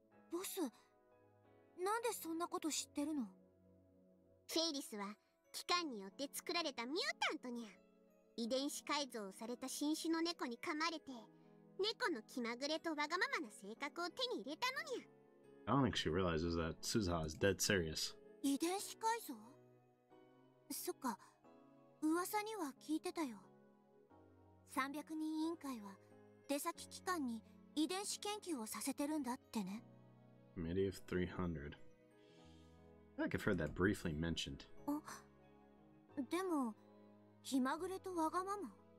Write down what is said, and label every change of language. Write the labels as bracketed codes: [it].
[ja] ボス、なんでそんなこと知ってるの？フェイリスは機関によって作られたミュータントにゃ。遺伝子改造された新種の猫に噛まれて、猫の気まぐれとわがままな性格を手に入れたのにゃ。 [en] I don't think she realizes that Suzuha is dead serious. [ja] 遺伝子改造？そっか、噂には聞いてたよ。300人委員会は出先機関に遺伝子研究をさせてるんだってね。 [en] Committee of 300. I think I've heard that briefly mentioned. [ja] あ、でも気まぐれとわがまま。